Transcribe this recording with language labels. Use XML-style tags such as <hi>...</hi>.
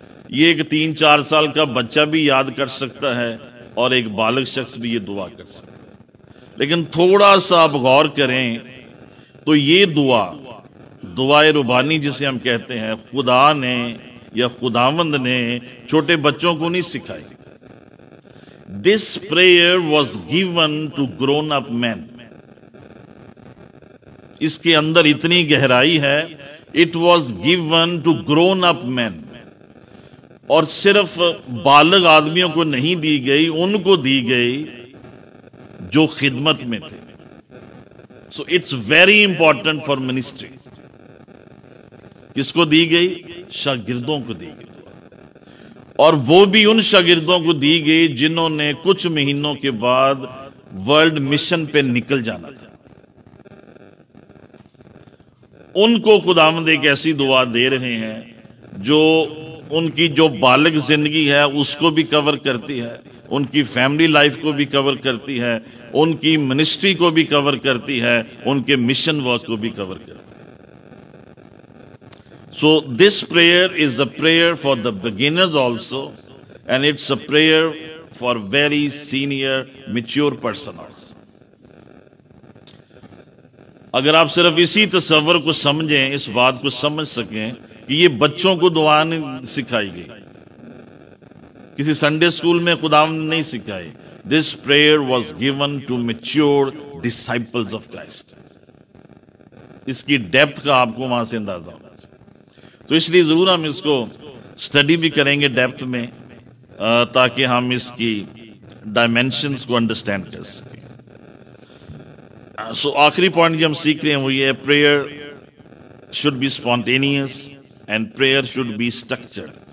<ur>یہ ایک 3-4 سال کا بچہ بھی یاد کر سکتا ہے، اور ایک بالغ شخص بھی یہ دعا کر سکتا ہے. لیکن تھوڑا سا آپ غور کریں تو یہ دعا, دعا ربانی جسے ہم کہتے ہیں, خدا نے یا خداوند نے چھوٹے بچوں کو نہیں سکھائی.</ur> <en>This prayer was given to grown up men.</en> <ur>اس کے اندر اتنی گہرائی ہے.</ur> <en>It was given to grown up men.</en> <ur>اور صرف بالغ آدمیوں کو نہیں دی گئی, ان کو دی گئی جو خدمت میں تھے.</ur> <en>So it's very important for ministry.</en> <ur>کس کو دی گئی؟ شاگردوں کو دی گئی, اور وہ بھی ان شاگردوں کو دی گئی جنہوں نے کچھ مہینوں کے بعد ورلڈ مشن پہ نکل جانا تھا. ان کو خداوند ایک ایسی دعا دے رہے ہیں جو ان کی جو بالغ زندگی ہے اس کو بھی کور کرتی ہے, ان کی فیملی لائف کو بھی کور کرتی ہے, ان کی منسٹری کو بھی کور کرتی ہے, ان کے مشن ورک کو بھی کور کرتی ہے.</ur> <en>So this prayer is a prayer for the beginners also, and it's a prayer for very senior, mature person also.</en> <ur>اگر آپ صرف اسی تصور کو سمجھیں, اس بات کو سمجھ سکیں کہ یہ بچوں کو دعا نہیں سکھائی گئی, کسی سنڈے اسکول میں خدا نہیں سکھائی.</ur> <en>This prayer was given to mature disciples of Christ.</en> <ur>اس کی ڈیپتھ کا آپ کو وہاں سے اندازہ ہوگا. تو اس لیے ضرور ہم اس کو اسٹڈی بھی کریں گے ڈیپتھ میں, تاکہ ہم اس کی ڈائمینشنز کو انڈرسٹینڈ کر سکیں. سو آخری پوائنٹ جو ہم سیکھ رہے ہیں وہ یہ,</ur> <en>Prayer should be spontaneous and prayer should be structured.</en>